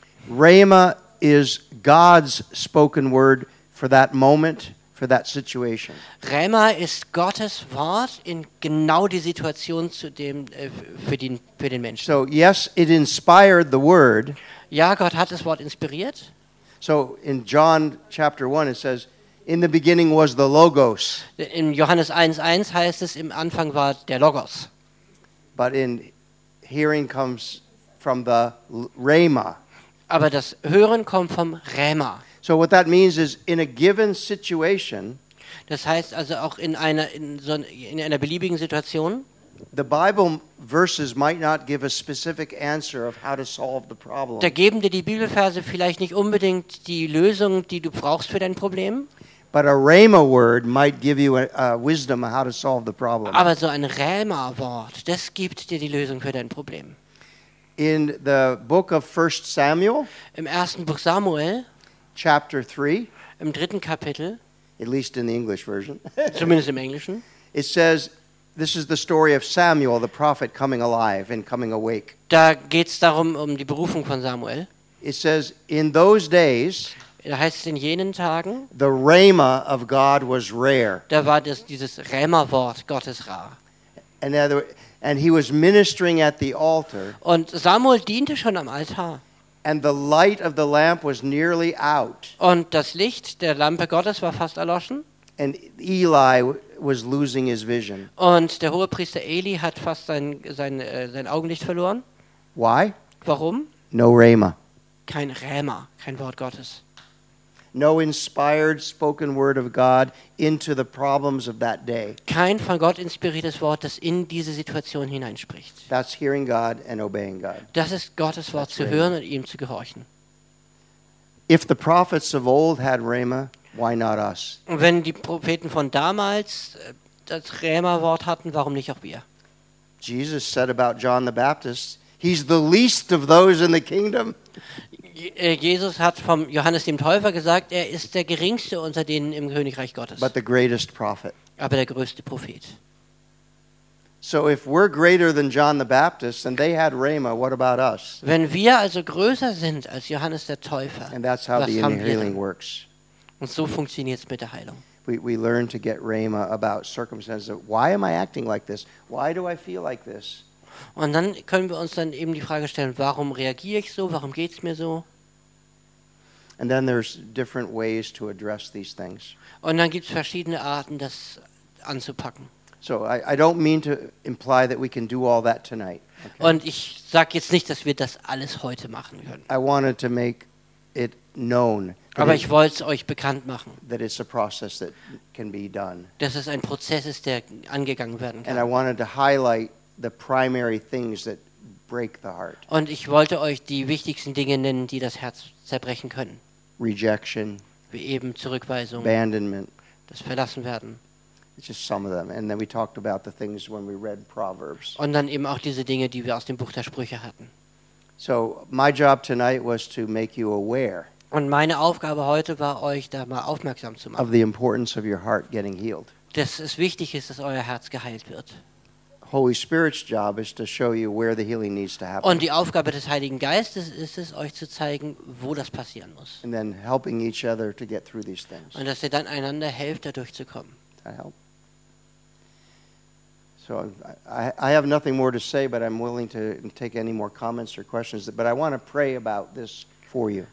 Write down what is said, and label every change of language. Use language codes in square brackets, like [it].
[en] Rhema is God's spoken word for that moment, for that situation. [de] Rhema ist Gottes Wort in genau die Situation zu dem für den Menschen. [en] So yes, it inspired the word. [de] Ja, Gott hat das Wort inspiriert. [en] So in John chapter 1 it says, in the beginning was the Logos. [de] In Johannes 1:1 heißt es, im Anfang war der Logos. [en] But in hearing comes from the Rhema. [de] Aber das Hören kommt vom Rhema. [en] So what that means is in a given situation. [de] Das heißt also auch in einer beliebigen Situation. [en] The Bible verses might not give a specific answer of how to solve the problem. [de] Da geben dir die Bibelverse vielleicht nicht unbedingt die Lösung, die du brauchst für dein Problem. [en] But a Rhema word might give you a wisdom on how to solve the problem. [de] Aber so ein Rhema Wort, das gibt dir die Lösung für dein Problem. [en] In the book of 1 Samuel, [de] im ersten Buch Samuel, [en] chapter 3, [de] im dritten Kapitel, [en] at least in the English version, [de] zumindest im Englischen, [en] it says, this is the story of Samuel, the prophet coming alive and coming awake. [de] Da geht's darum um die Berufung von Samuel. [en] It says, in those days, [de] da heißt es in jenen Tagen, [en] the Rhema of God was rare. [de] Da war das, dieses Rhema-Wort Gottes rar. [en] And he was ministering at the altar. [de] Und Samuel diente schon am Altar. [en] And the light of the lamp was nearly out. [de] Und das Licht der Lampe Gottes war fast erloschen. [en] And Eli was losing his vision. [de] Und der hohe Priester Eli hat fast sein Augenlicht verloren. [en] Why? [de] Warum? [en] No Rhema. [de] Kein Rhema, kein Wort Gottes. [en] No inspired spoken word of God into the problems of that day. [de] Kein von Gott inspiriertes Wort, das in diese Situation hineinspricht. [en] That's hearing God and obeying God. [de] Das ist Gottes Wort zu hören und ihm zu gehorchen. [en] If the prophets of old had Rhema, why not us? [de] Wenn die Propheten von damals das Rhema-Wort hatten, warum nicht auch wir? [en] Jesus said about John the Baptist, he's the least of those in the kingdom. [de] Jesus hat vom Johannes dem Täufer gesagt, er ist der geringste unter denen im Königreich Gottes. [en] But the greatest prophet. [de] Aber der größte Prophet. [en] So if we're greater than John the Baptist and they had Rhema, what about us? [de] Wenn wir also größer sind als Johannes der Täufer. [en] And that's how the inner healing works. [de] Und so funktioniert es mit der Heilung. [en] We learn to get Rhema about circumstances. Why am I acting like this? Why do I feel like this? [de] Und dann können wir uns dann eben die Frage stellen, warum reagiere ich so, warum geht es mir so? [en] And then there's different ways to address these things. [de] Und dann gibt es verschiedene Arten, das anzupacken. [en] So I don't mean to imply that we can do all that tonight. Okay. [de] Und ich sage jetzt nicht, dass wir das alles heute machen können. [en] I wanted to make it known. [de] Aber ich wollte es euch bekannt machen. [en] That it's a process that can be done. [de] Dass es ein Prozess ist, der angegangen werden kann. [en] And I wanted to highlight the primary things that break the heart. [de] Und ich wollte euch die wichtigsten Dinge nennen, die das Herz zerbrechen können. [en] Rejection, [de] wie eben Zurückweisung, [en] abandonment, [de] das Verlassenwerden. [en] It's just some of them. And then we talked about the things when we read Proverbs. [de] Und dann eben auch diese Dinge, die wir aus dem Buch der Sprüche hatten. [en] So my job tonight was to make you aware. [de] Und meine Aufgabe heute war, euch da mal aufmerksam zu machen. [en] Of the importance of your heart getting healed. [de] Dass es wichtig ist, dass euer Herz geheilt wird. [en] Holy Spirit's job is to show you where the healing needs to happen. [de] Und die Aufgabe des Heiligen Geistes ist es, euch zu zeigen, wo das passieren muss. [en] And then helping each other to get through these things. [de] Und dass ihr dann einander helft, dadurch zu kommen. [en] That help. So I have nothing more to say, but I'm willing to take any more comments or questions. But I want to pray about this for you.